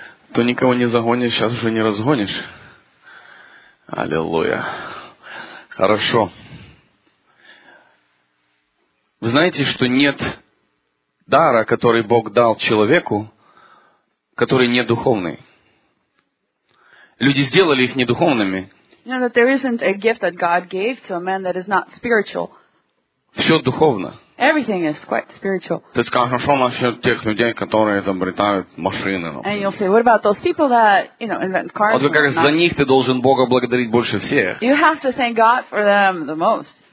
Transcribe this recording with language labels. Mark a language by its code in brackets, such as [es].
[ru] Кто никого не загонит, сейчас уже не разгонишь. Аллилуйя. Хорошо. Вы знаете, что нет дара, который Бог дал человеку, который не духовный. Люди сделали их недуховными. [en] You know that there isn't a gift that God gave to a man that is not spiritual. [ru] Все духовно. [en] Everything is quite spiritual. [ru] Ты скажешь, что насчет тех людей, которые изобретают машины, например? [en] And you'll say, what about those people that, you know, invent cars? [ru] Вот вы говорите, за них ты должен Бога благодарить больше всех. [en] You have to thank God for them the most.